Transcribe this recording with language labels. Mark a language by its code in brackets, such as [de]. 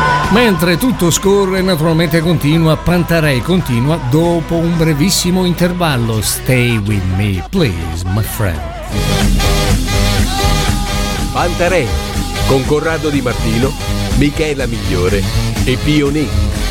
[it] Mentre tutto scorre, naturalmente continua Pantarei, continua dopo un brevissimo intervallo. [en] Stay with me, please, my friend. [it] Pantarei, con Corrado Di Martino, Michela Migliore e Pio Nin.